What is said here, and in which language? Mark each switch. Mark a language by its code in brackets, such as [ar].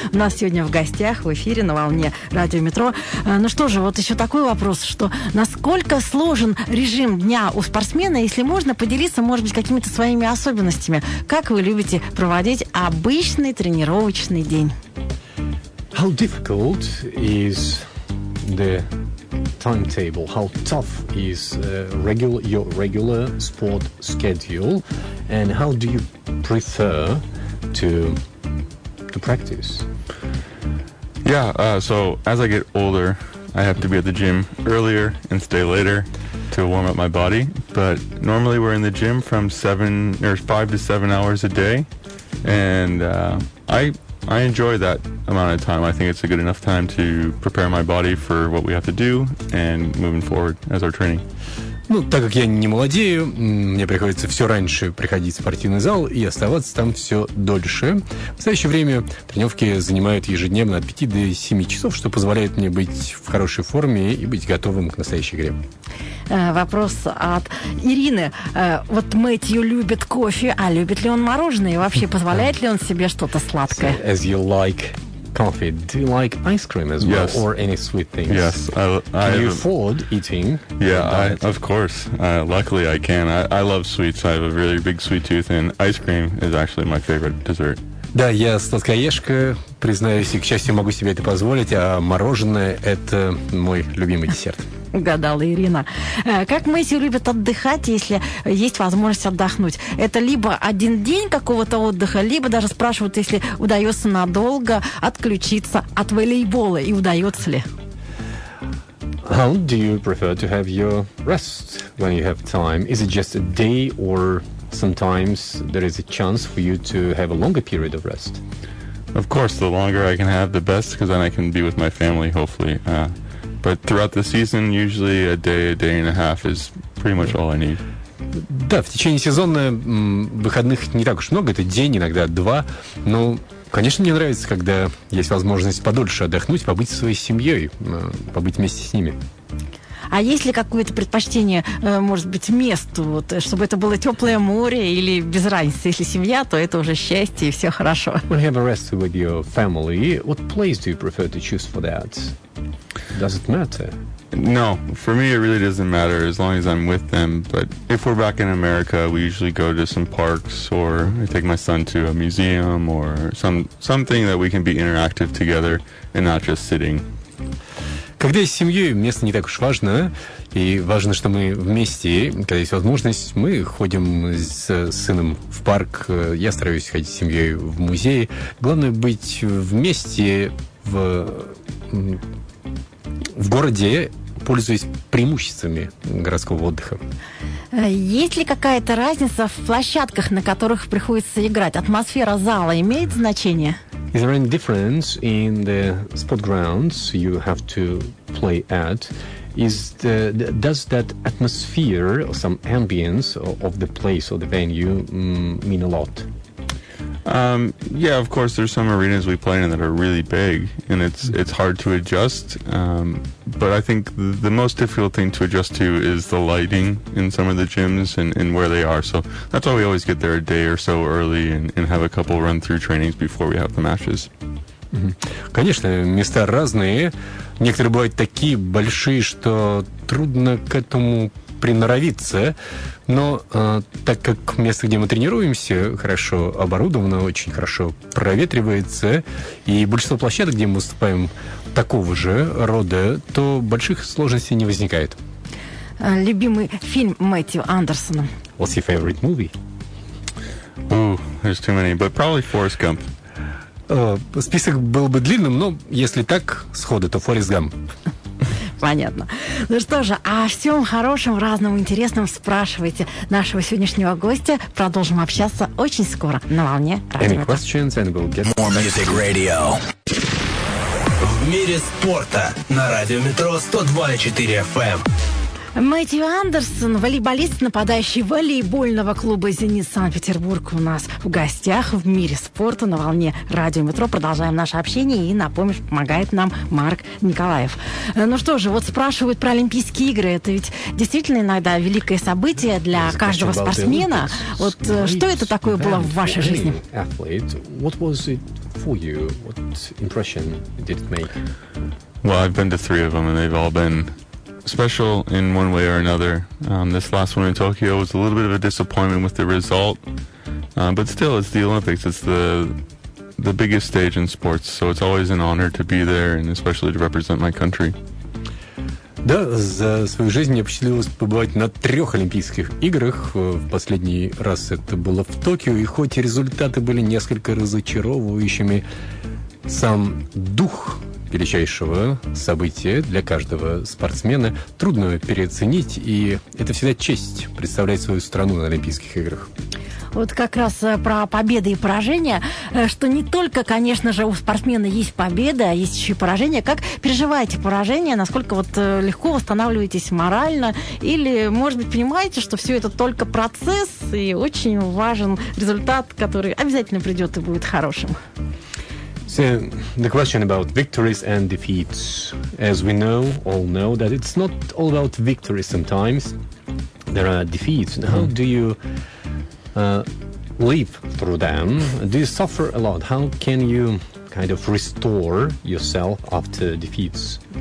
[ru] У нас сегодня в гостях в эфире на волне радио «Метро». Ну что же, вот еще такой вопрос, что насколько сложен режим дня у спортсмена, если можно поделиться, может быть, какими-то своими особенностями. Как вы любите проводить обычный тренировочный день? [en] How difficult is the timetable? How tough is your regular sport schedule, and how do you prefer to practice? Yeah, so as I get older, I have to be at the gym earlier and stay later to warm up my body. But normally we're in the gym from 5 to 7 hours a day, and I enjoy that amount of time. I think it's a good enough time to prepare my body for what we have to do and moving forward as our training. [ru] Ну, так как я не молодею, мне приходится все раньше приходить в спортивный зал и оставаться там все дольше. В настоящее время тренировки занимают ежедневно от 5 до 7 часов, что позволяет мне быть в хорошей форме и быть готовым к настоящей игре. Вопрос от Ирины. Вот Мэтью любит кофе, а любит ли он мороженое? И вообще позволяет ли он себе что-то сладкое? [en] So, as you like coffee, do you like ice cream as well? Yes. Or any sweet things? Yes. Can you afford eating? Yeah, of course. Luckily, I can. I love sweets. I have a really big sweet tooth, and ice cream is actually my favorite dessert. [ru] Да, я сладкоежка, признаюсь, и, к счастью, могу себе это позволить, а мороженое – это мой любимый десерт. Угадала Ирина. Как Мэтью любит отдыхать, если есть возможность отдохнуть? Это либо один день какого-то отдыха, либо даже спрашивают, если удается надолго отключиться от волейбола, и удается ли? [en] How do you prefer to have your rest when you have time? Is it just a day, or sometimes there is a chance for you to have a longer period of rest? Of course, the longer I can have, the best, because then I can be with my family, hopefully. But throughout the season, usually a day and a half is pretty much all I need. [ru] Да, в течение сезона выходных не так уж много, это день, иногда два. Но, конечно, мне нравится, когда есть возможность подольше отдохнуть, побыть со своей семьей, побыть вместе с ними. А есть ли какое-то предпочтение, может быть, месту, вот, чтобы это было теплое море или без разницы? Если семья, то это уже счастье и все хорошо. [en] When you have a rest with your family, what place do you prefer to choose for that? Does it matter? No, for me it really doesn't matter as long as I'm with them. But if we're back in America, we usually go to some parks, or I take my son to a museum or something that we can be interactive together and not just sitting. [ru] Когда есть семья, место не так уж важно, и важно, что мы вместе. Когда есть возможность, мы ходим с сыном в парк. Я стараюсь ходить с семьей в музей. Главное быть вместе в городе, пользуясь преимуществами городского отдыха. Есть ли какая-то разница в площадках, на которых приходится играть? Атмосфера зала имеет значение? [en] Is there any difference in the sport grounds you have to play at? Is does that atmosphere, or some ambience of the place or the venue mean a lot? Yeah, of course, there's some arenas we play in that are really big, and it's hard to adjust. But I think the most difficult thing to adjust to is the lighting in some of the gyms and where they are. So that's why we always get there a day or so early and have a couple run-through trainings before we have the matches. [ru] Mm-hmm. Конечно, места разные. Некоторые бывают такие большие, что трудно к этому приноровиться. Но так как место, где мы тренируемся, хорошо оборудовано, очень хорошо проветривается, и большинство площадок, где мы выступаем такого же рода, то больших сложностей не возникает. Любимый фильм Мэтью Андерсона. [en] What's your favorite movie? Ooh, there's too many, but probably Forrest Gump. [ru] Список был бы длинным, но если так, сходу, то Форрест Гамп. Понятно. Ну что же, о всем хорошем, разном, интересном спрашивайте нашего сегодняшнего гостя. Продолжим общаться очень скоро на волне радио. [en] Any questions, and we'll get more music radio. [ru] В мире спорта на радио Метро 102.4 FM. Мэтью Андерсон, волейболист, нападающий волейбольного клуба «Зенит» Санкт-Петербург, у нас в гостях в мире спорта на волне радио «Метро». Продолжаем наше общение, и, напомню, помогает нам Марк Николаев. Ну что же, вот спрашивают про Олимпийские игры. Это ведь действительно иногда великое событие для каждого спортсмена. Вот что это такое было в вашей жизни? [en] What was it for you? What impression did it make? Well, I've been to three of them, and they've all been special in one way or another. This last one in Tokyo was a little bit of a disappointment with the result, but still, it's the Olympics. It's the biggest stage in sports, so it's always an honor to be there and especially to represent my country. [ru] Да, за свою жизнь я посчастливилось побывать на трех Олимпийских играх. В последний раз это было в Токио, и хоть результаты были несколько разочаровывающими, сам дух величайшего события для каждого спортсмена трудно переоценить, и это всегда честь представлять свою страну на Олимпийских играх. Вот как раз про победы и поражения, что не только, конечно же, у спортсмена есть победа, а есть еще и поражение. Как переживаете поражение? Насколько вот легко восстанавливаетесь морально? Или, может быть, понимаете, что все это только процесс, и очень важен результат, который обязательно придет и будет хорошим? [en] So the question about victories and defeats, as we know, all know that it's not all about victories sometimes, there are defeats. Mm-hmm. How do you live through them? Do you suffer a lot? How can you kind of restore yourself after defeats?